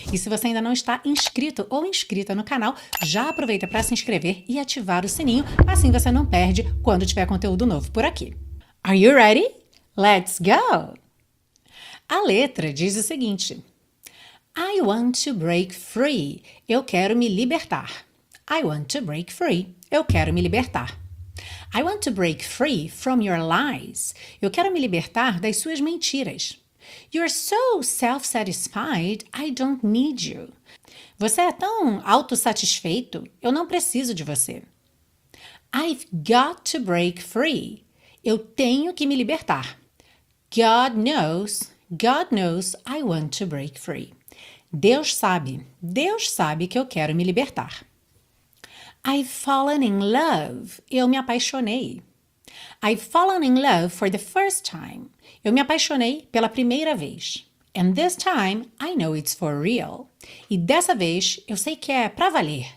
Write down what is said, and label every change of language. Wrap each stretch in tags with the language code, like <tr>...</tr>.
<pt>E se você ainda não está inscrito ou inscrita no canal, já aproveita para se inscrever e ativar o sininho, assim você não perde quando tiver conteúdo novo por aqui.</pt> <en>Are you ready? Let's go!</en> <pt>A letra diz o seguinte:</pt> <en>I want to break free.</en> <pt>Eu quero me libertar.</pt> <en>I want to break free.</en> <pt>Eu quero me libertar.</pt> <en>I want to break free from your lies.</en> <pt>Eu quero me libertar das suas mentiras.</pt> <en>You're so self-satisfied, I don't need you.</en> <pt>Você é tão autossatisfeito, eu não preciso de você.</pt> <en>I've got to break free.</en> <pt>Eu tenho que me libertar.</pt> <en>God knows I want to break free.</en> <pt>Deus sabe que eu quero me libertar.</pt> <en>I've fallen in love.</en> <pt>Eu me apaixonei.</pt> <en>I've fallen in love for the first time.</en> <pt>Eu me apaixonei pela primeira vez.</pt> <en>And this time, I know it's for real.</en> <pt>E dessa vez, eu sei que é pra valer.</pt>